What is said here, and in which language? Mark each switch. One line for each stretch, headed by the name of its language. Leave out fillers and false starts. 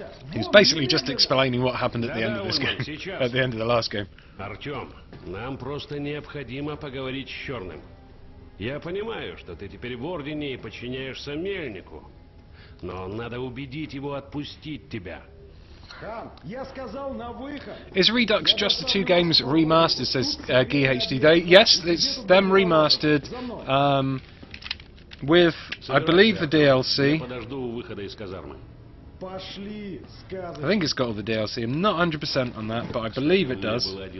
English: He's basically just explaining what happened at the end of this game. At the end of the last game.
Russian: Артём, нам просто необходимо поговорить с Чёрным. Я понимаю, что ты теперь в Ордене и подчиняешься Мельнику. Но надо убедить его отпустить тебя.
English: Is Redux just the two games remastered, says GHD? Yes, it's them remastered with, I believe, the DLC. I think it's got all the DLC. I'm not 100% on that, but I believe it does.